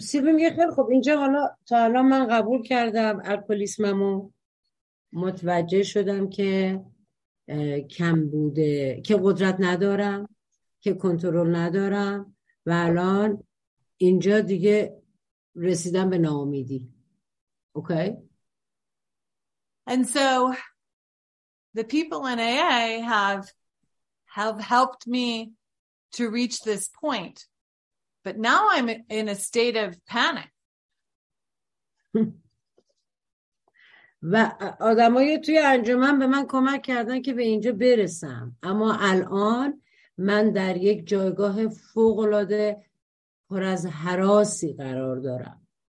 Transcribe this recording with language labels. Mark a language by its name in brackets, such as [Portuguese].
[Persian] سیلوی میگه خیلی خوب اینجا حالا تا الان من قبول کردم الکلیسممو، متوجه شدم که کم بوده، که قدرت ندارم، که کنترل ندارم و الان اینجا دیگه رسیدم به ناامیدی. [English] Okay. And so the people in AA have helped me to reach this point, but now I'm in a state of panic. [Persian] و آدمای توی انجمن به من کمک کردن که به اینجا برسم، اما الان من در یک جایگاه فوق‌العاده پر از هراسی قرار دارم.